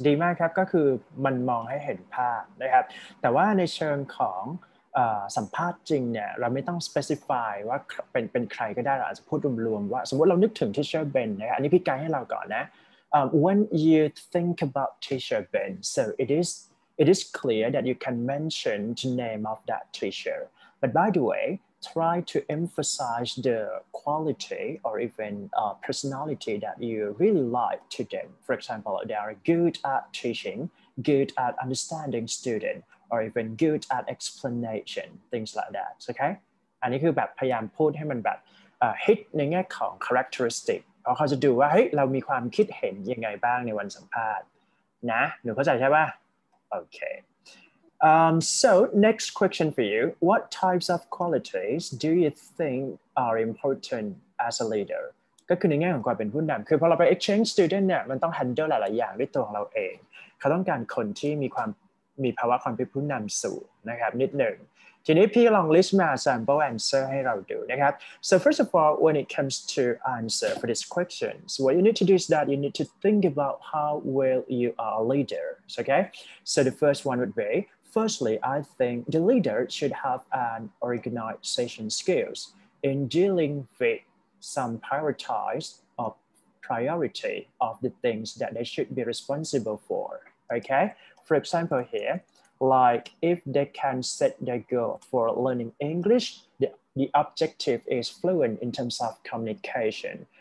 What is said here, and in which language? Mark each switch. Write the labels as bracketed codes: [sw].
[th] ดีมากครับก็คือมันมองให้เห็นภาพนะครับแต่ว่าในเชิงของสัมภาษณ์จริงเนี่ยเราไม่ต้อง specify ว่าเป็นใครก็ได้เราอาจจะพูดรวมๆว่าสมมติเรานึกถึง Teacher Ben นะครับอันนี้พี่ไกด์ให้เราก่อนนะ [en] when you think about Teacher Ben, so it is clear that you can mention the name of that teacher. But by the way,try to emphasize the quality or even personality that you really like to them. For example, they are good at teaching, good at understanding students, or even good at explanation, things like that, okay? [th] อันนี้คือแบบพยายามพูดให้มันแบบ hit ในแง่ของ characteristic เพราะเขาจะดูว่าเฮ้ยเรามีความคิดเห็นยังไงบ้างในวันสัมภาษณ์นะหนูเข้าใจใช่ป่ะโอเค [en] So next question for you: What types of qualities do you think are important as a leader? [th] ก็คือในแง่ของความเป็นผู้นำคือพอเราไป exchange student เนี่ยมันต้อง handle หลายๆอย่างด้วยตัวของเราเองเขาต้องการคนที่มีภาวะความเป็นผู้นำสูงนะครับนิดหนึ่งทีนี้พี่ลอง list มา sample answer ให้เราดูนะครับ [en] So first of all, when it comes to answer for this question, so what you need to do is that you need to think about how well you are a leader. Okay? So the first one would be. Firstly, I think the leader should have an organization skills in dealing with some priority of the things that they should be responsible for, okay? For example here, like if they can set their goal for learning English, the objective is fluent in terms of communication.